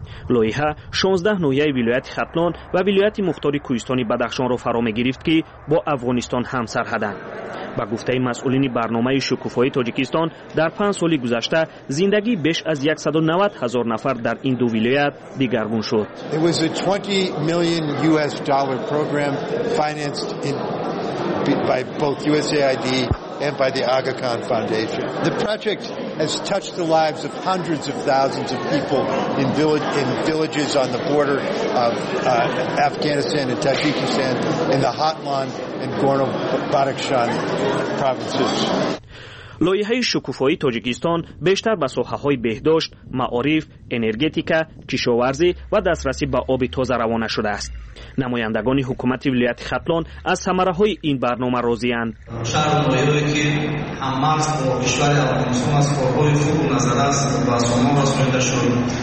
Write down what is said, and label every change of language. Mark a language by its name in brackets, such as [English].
[Persian] لایحه 16 نوحیه ولایت ختلان و ولایت مختار کوهستان بدخشان را فرا می گرفت که با افغانستان هم سرحدند. با گفته مسئولین برنامه شکوفایی تاجیکستان در 5 سال گذشته زندگی بیش از 190 هزار نفر در این دو ولایت دیگرگون شد. [English] It was a $20 million program financed by both USAID and by the Aga Khan Foundation. The project has touched the lives of hundreds of thousands of people in villages on the border of Afghanistan and Tajikistan in the Hatlan and Gorno-Badakhshan provinces. [Persian] لایحه شکوفایی تاجیکستان بیشتر به ساحه‌های بهداشت، معارف، انرژتیکا، کشاورزی و دسترسی به آب تازه روانه شده است. نمایندگان حکومت ولایت ختلان از ثمره‌های این برنامه راضی‌اند. شهر نوئیدوی که هم مرز با کشور افغانستان از کارهای خوب نظر است و سامان رسانیده شد.